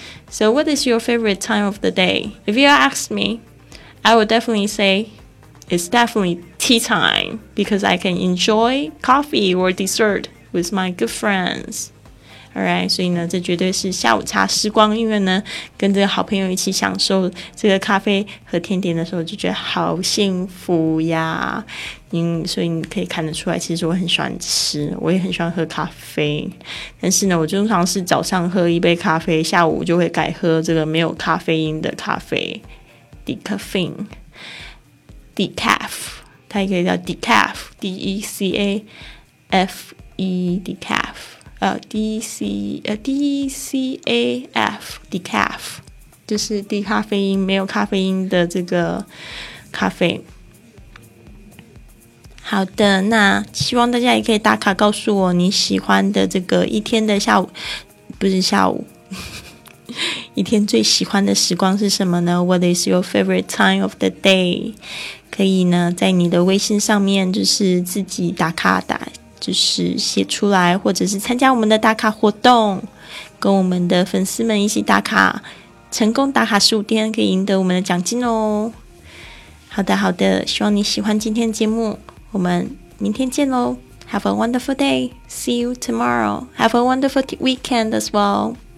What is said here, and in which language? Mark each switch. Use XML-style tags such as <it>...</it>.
<en>So what is your favorite time of the day? If you ask me, I would definitely sayIt's definitely tea time because I can enjoy coffee or dessert with my good friends.</en> <zh>Alright, 所以呢，这绝对是下午茶时光，因为呢，跟这个好朋友一起享受这个咖啡和甜点的时候，就觉得好幸福呀。所以你可以看得出来，其实我很喜欢吃，我也很喜欢喝咖啡。但是呢，我通常是早上喝一杯咖啡，下午就会改喝这个没有咖啡因的咖啡 ，decaffeine。 Decaf， 它也可以叫 decaf， D E C A F E， decaf， D C A F， decaf， 就是低咖啡因，没有咖啡因的这个咖啡。好的，那希望大家也可以打卡告诉我你喜欢的这个一天的下午，不是下午。一天最喜欢的时光是什么呢？</zh> <en>What is your favorite time of the day?</en> <zh>可以呢在你的微信上面就是自己打卡打，就是写出来，或者是参加我们的打卡活动，跟我们的粉丝们一起打卡，成功打卡15天可以赢得我们的奖金哦。好的好的，希望你喜欢今天的节目，我们明天见咯。</zh> <en>Have a wonderful day. See you tomorrow. Have a wonderful weekend as well.</en>